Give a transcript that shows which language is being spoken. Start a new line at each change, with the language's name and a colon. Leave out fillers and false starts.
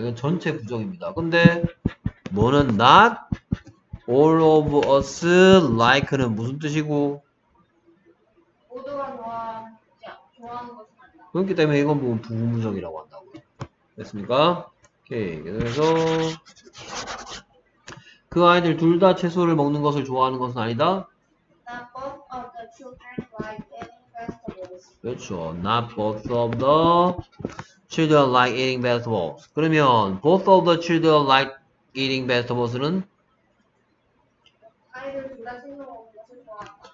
Korean: 이건 전체 부정입니다. 근데 뭐는
English: not all of us like
Korean: 는 무슨 뜻이고? 모두가 좋아하는 것은 아니다. 그렇기 때문에 이건 뭐 부부부정이라고 한다. 됐습니까? 오케이. 그래서 그 아이들 둘 다 채소를 먹는 것을 좋아하는 것은 아니다.
English: Not both of the children like eating vegetables.
Korean: 그렇죠.
English: Not both of the children like eating vegetables.
Korean: 그러면
English: both of the children like eating vegetables는
Korean: 아이들 둘 다 채소 먹는 것을 좋아한다.